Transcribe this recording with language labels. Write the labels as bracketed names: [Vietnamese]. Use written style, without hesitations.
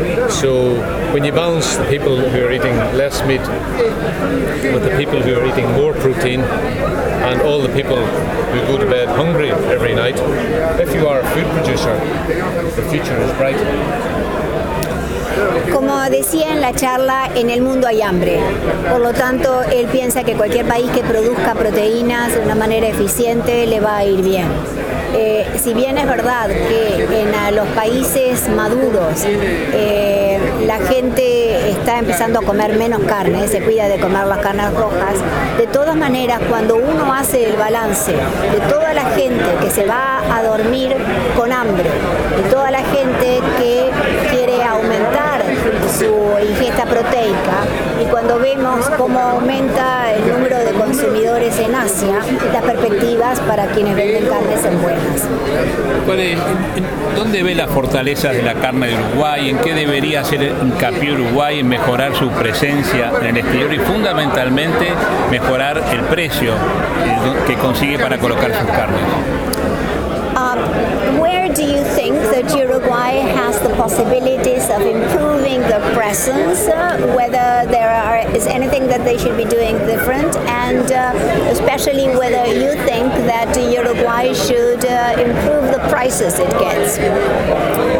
[English] So when you balance the people who are eating less meat with the people who are eating more protein and all the people who go to bed hungry every night, if you are a food producer, the future is bright. [Spanish] Como decía en la charla, en el mundo hay hambre. Por lo tanto, él piensa que cualquier país que produzca proteínas de una manera eficiente le va a ir bien. Si bien es verdad que en los países maduros la gente está empezando a comer menos carne, se cuida de comer las carnes rojas, de todas maneras, cuando uno hace el balance de toda la gente que se va a dormir con hambre, de toda la gente que quiere aumentar su ingesta proteica, y cuando vemos cómo aumenta el número de consumidores en Asia, las perspectivas para quienes venden carne son buenas. ¿Dónde ve las fortalezas de la carne de Uruguay? ¿En qué debería hacer hincapié Uruguay en mejorar su presencia en el exterior y fundamentalmente mejorar el precio que consigue para colocar sus carnes? [English] Where do you think that Uruguay has the possibilities of improving the presence, whether there are, is anything that they should be doing different, and especially whether you think that Uruguay should improve the prices it gets?